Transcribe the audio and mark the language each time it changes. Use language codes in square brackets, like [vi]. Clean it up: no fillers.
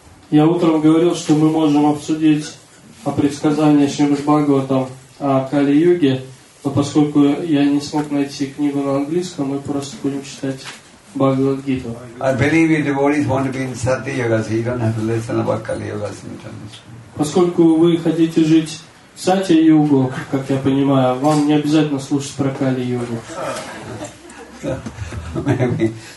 [ru] Я утром говорил, что мы можем обсудить о предсказании Шримад-Бхагаватам о Кали-Юге, но поскольку я не смог найти книгу на английском, мы просто будем читать Бхагавад-Гиту. [en] I believe your devotees want to be in Satya Yuga, so you don't have to listen about Kali Yuga symptoms. [ru] Поскольку вы хотите жить в Сатья-югу, как я понимаю, вам не обязательно слушать про Кали-югу.